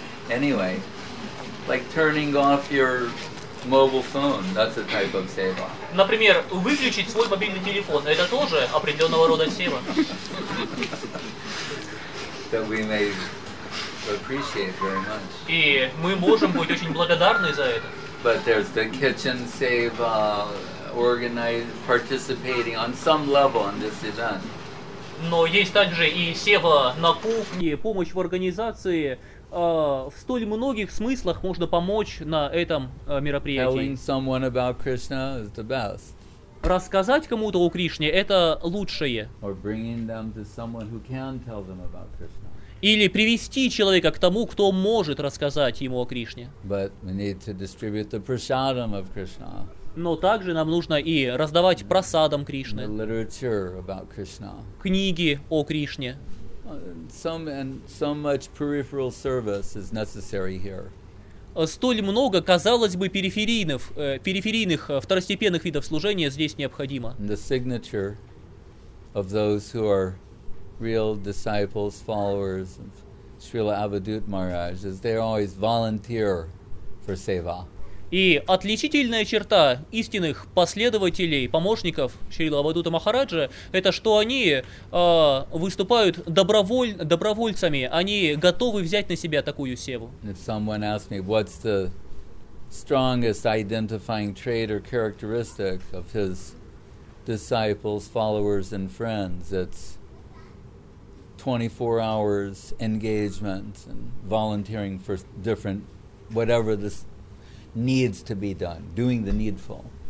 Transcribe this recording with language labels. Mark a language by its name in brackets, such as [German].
[English] Anyway, like turning off your mobile phone, that's a type of seva. [Russian] Например, выключить свой мобильный телефон, это тоже определенного рода сева. [English] that we may appreciate very much. [Russian] И мы можем быть очень благодарны за это. [English] But there's the kitchen save organized participating on some level in this event. [Russian] Но есть также и сева на кухне, помощь в организации. В столь многих смыслах можно помочь на этом мероприятии. [English] Telling someone about Krishna is the best. [Russian] Рассказать кому-то о Кришне – это лучшее. [English] Or bringing them to someone who can tell them about Krishna. [Russian] Или привести человека к тому, кто может рассказать ему о Кришне. [English] But we need to distribute the prasadam of Krishna. [Russian] Но также нам нужно и раздавать прасадам Кришны. [English] The literature about Krishna. [Russian] Книги о Кришне. [English] So much peripheral service is necessary here. [Russian] Столь много, казалось бы, периферийных второстепенных видов служения здесь необходимо. [English] The signature of those who are real disciples, followers of Srila Avadhut Maharaj is they always volunteer for seva. [Russian] И отличительная черта истинных последователей, помощников Шрилы Авадута Махараджа, это что они выступают добровольцами, они готовы взять на себя такую севу. [English] If someone asks me, what's the strongest identifying trait or characteristic of his disciples, followers and friends, it's 24 hours engagement and volunteering for different, whatever this needs to be done, doing the needful.